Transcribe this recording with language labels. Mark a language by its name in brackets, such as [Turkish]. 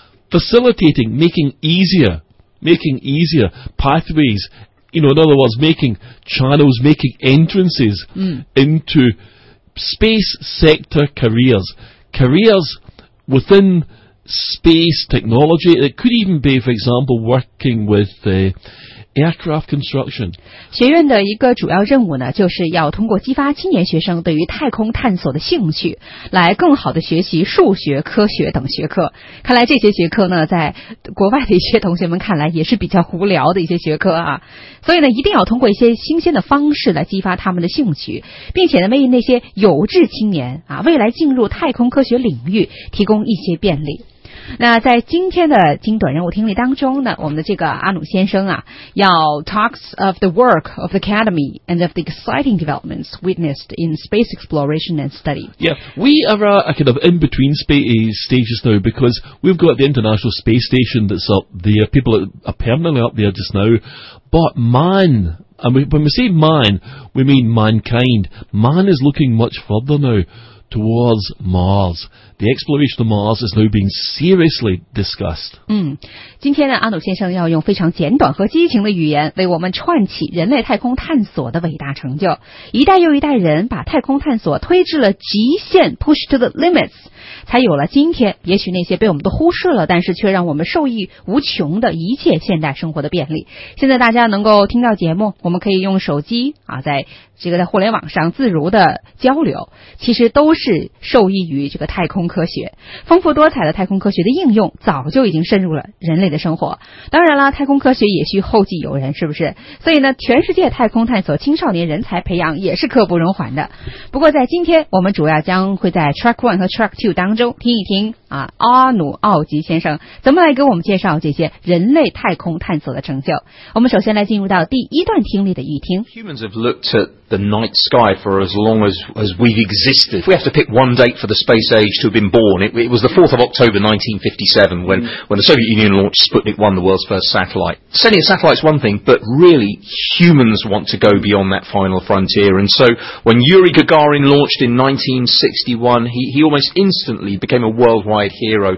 [English] Facilitating, making easier pathways, you know, in other words, making channels, making entrances into space sector careers within space technology. It could even be, for example, working with aircraft construction. [Chinese] 学院的一个主要任务呢，就是要通过激发青年学生对于太空探索的兴趣，来更好的学习数学、科学等学科。看来这些学科呢，在国外的一些同学们看来也是比较无聊的一些学科啊。所以呢，一定要通过一些新鲜的方式来激发他们的兴趣，并且呢，为那些有志青年啊，未来进入太空科学领域提供一些便利。那在今天的精短任务听力当中呢，我们的这个阿努先生啊，要 [English] talks of the work of the Academy and of the exciting developments witnessed in space exploration and study. Yeah, we are a kind of in-between space stages now because we've got the International Space Station that's up there. People are permanently up there just now. But man, and when we say man, we mean mankind. Man is looking much further now. Towards Mars. The exploration of Mars is now being seriously discussed. [Chinese] 今天呢，阿努先生要用非常简短和激情的语言为我们串起人类太空探索的伟大成就。一代又一代人把太空探索推至了极限 [English] push to the limits, [Chinese] 才有了今天也许那些被我们都忽视了但是却让我们受益无穷的一切现代生活的便利。现在大家能够听到节目，我们可以用手机啊，在这个在互联网上自如的交流，其实都是受益于这个太空科学。丰富多彩的太空科学的应用早就已经深入了人类的生活。当然了，太空科学也需后继有人，是不是？所以呢，全世界太空探索青少年人才培养也是刻不容缓的。不过在今天，我们主要将会在 Track 1和 Track 2当中听一听啊，阿努奥吉先生怎么来给我们介绍这些人类太空探索的成就。我们首先来进入到第一段听力的预听。 [English] Humans have looked at the night sky for as long as we've existed. If we have to pick one date for the space age to have been born, it was the 4th of October 1957 when the Soviet Union launched Sputnik 1, the world's first satellite. Sending a satellite is one thing, but really humans want to go beyond that final frontier. And so when Yuri Gagarin launched in 1961, he almost instantly became a worldwide hero.